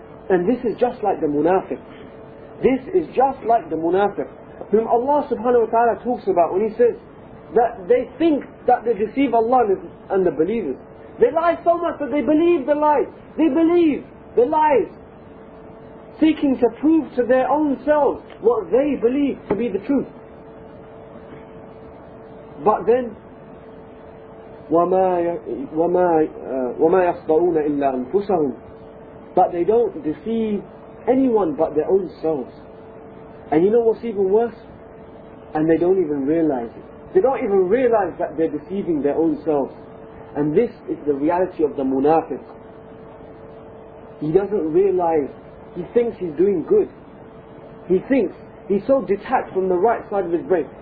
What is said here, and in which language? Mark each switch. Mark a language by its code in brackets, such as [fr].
[en] And this is just like the munafiq. This is just like the munafiq, whom Allah subhanahu wa ta'ala talks about when he says that they think that they deceive Allah and the believers. They lie so much that they believe the lies. They believe the lies, seeking to prove to their own selves what they believe to be the truth. But then, [ar] وَمَا يَصْدَرُونَ إِلَّا أَنفُسَهُمْ. [en] But they don't deceive anyone but their own selves. And you know what's even worse? And they don't even realize it. They don't even realize that they're deceiving their own selves. And this is the reality of the munafiq. He doesn't realize, he thinks he's doing good. He thinks, he's so detached from the right side of his brain.